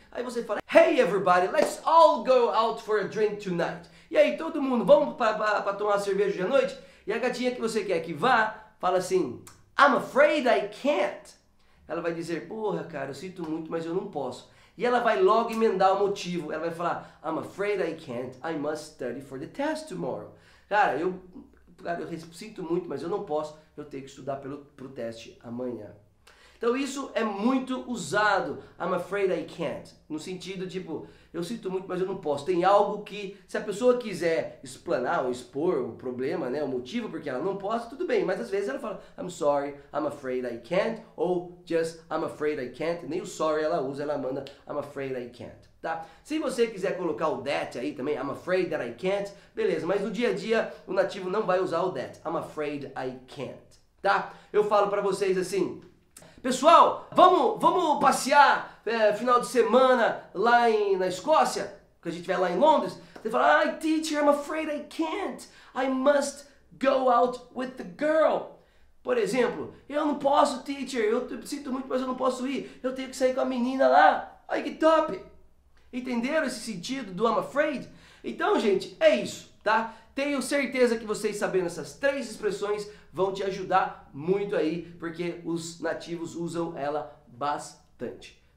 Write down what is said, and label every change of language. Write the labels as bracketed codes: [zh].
[pt] Aí você fala, [en] hey everybody, let's all go out for a drink tonight. [pt] E aí todo mundo, vamos para tomar cerveja hoje à noite? E a gatinha que você quer que vá, fala assim, [en] I'm afraid I can't. [pt] Ela vai dizer, porra, cara, eu sinto muito, mas eu não posso. E ela vai logo emendar o motivo. Ela vai falar, [en] I'm afraid I can't, I must study for the test tomorrow. [pt] Cara, eu sinto muito, mas eu não posso, eu tenho que estudar pro teste amanhã. Então isso é muito usado, [en] I'm afraid I can't. [pt] No sentido, tipo, eu sinto muito, mas eu não posso. Tem algo que, se a pessoa quiser explanar ou expor o problema, né, o motivo, porque ela não pode, tudo bem. Mas às vezes ela fala, [en] I'm sorry, I'm afraid I can't, ou just I'm afraid I can't. [pt] Nem o sorry ela usa, ela manda, [en] I'm afraid I can't, [pt] tá? Se você quiser colocar o that aí também, [en] I'm afraid that I can't, [pt] beleza. Mas no dia a dia, o nativo não vai usar o that, [en] I'm afraid I can't, [pt] tá? Eu falo pra vocês assim, pessoal, vamos passear final de semana lá na Escócia, que a gente vai lá em Londres. Você fala, ai, [en] teacher, I'm afraid I can't. I must go out with the girl. [pt] Por exemplo, eu não posso, teacher. Eu sinto muito, mas eu não posso ir. Eu tenho que sair com a menina lá. Ai, que top. Entenderam esse sentido do I'm afraid? Então, gente, é isso, tá? Tenho certeza que vocês sabendo essas três expressões vão te ajudar muito aí, porque os nativos usam ela bastante.